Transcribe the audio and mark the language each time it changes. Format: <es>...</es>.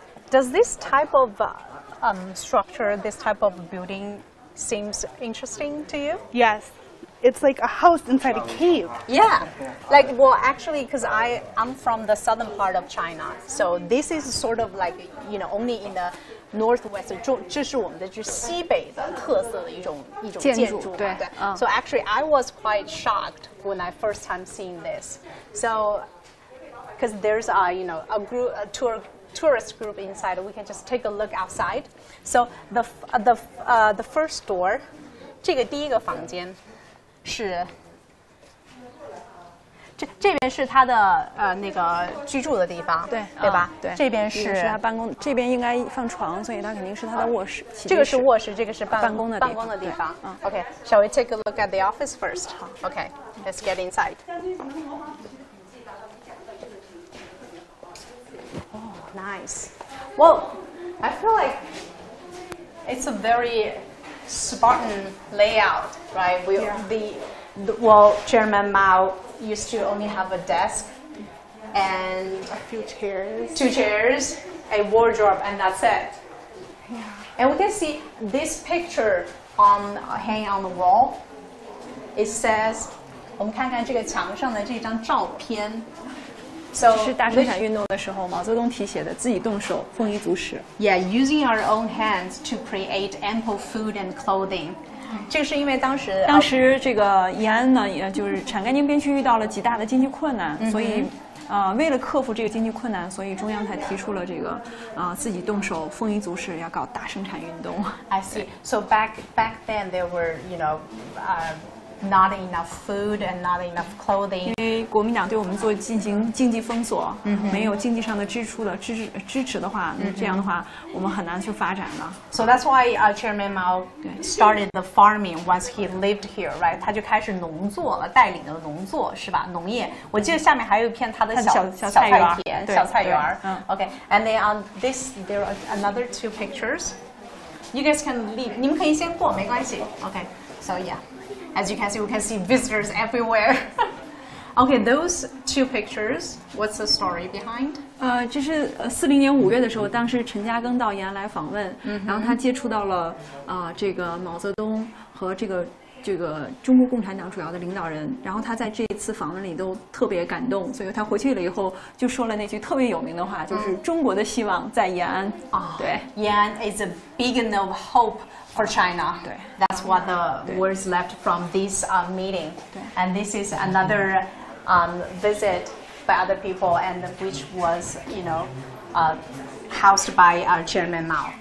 <en>Does this type of structure, this type of building, seems interesting to you? Yes. It's like a house inside a cave. Yeah. Like, well, actually, because I'm from the southern part of China. So this is sort of like, you know, only in the northwest.</en> <zh>这是我们的就西北的特色的一种建筑。对。</zh> <en>So actually, I was quite shocked when I first time seeing this. So, because there's a, you know, a group, a tour tourist group inside. We can just take a look outside. So the first door,</en> <zh>这个第一个房间是这边是他的那个居住的地方，对对吧？对，这边是他办公，这边应该放床，所以他肯定是他的卧室。这个是卧室，这个是办公的地方。办公的地方。</zh> <en>Okay, shall we take a look at the office first? Okay, let's get inside. Oh, nice. Well, I feel like it's a very Spartan layout, right? Well, Chairman Mao used to only have a desk and a few chairs. Two chairs, a wardrobe, and that's it. Yeah. And we can see this picture on hanging on the wall. It says,</en> <zh>我们看看这个墙上的这张照片。 So, 这是大生产运动的时候毛泽东题写的自己动手丰衣足食。</zh> <en>Yeah, using our own hands to create ample food and clothing.</en> <zh>这个是因为当时这个延安呢，也就是陕甘宁边区遇到了极大的经济困难，所以，为了克服这个经济困难，所以中央才提出了这个，自己动手丰衣足食，要搞大生产运动。</zh> <en>I see. So back then there were, you know, not enough food and not enough clothing.</en> <zh>因为国民党对我们做进行经济封锁，没有经济上的支出的支持的话，这样的话我们很难去发展的。</zh> <en>So that's why Chairman Mao started the farming once he lived here, right?</en> <zh>他就开始农作了，带领了农作，是吧？农业。我记得下面还有一片他的小菜园。</zh> <en>Okay, and then on this, there are another two pictures. You guys can leave.</en> <zh>你们可以先过，没关系。</zh> <en>Okay, so yeah. As you can see, we can see visitors everywhere. Okay, those two pictures, what's the story behind?</en> <zh>这是40年5月的时候，当时陈嘉庚到延安来访问，然后他接触到了这个毛泽东和这个中国共产党主要的领导人，然后他在这次访问里都特别感动，所以他回去了以后就说了那句特别有名的话，就是中国的希望在延安。对</zh> <en>，Yan is a beacon of hope for China.</en> <zh>对</zh> <en>，That's what the words left from this meeting.</en> <zh>对</zh> <en>，And this is another visit by other people, and which was, you know, housed by Chairman Mao.</en>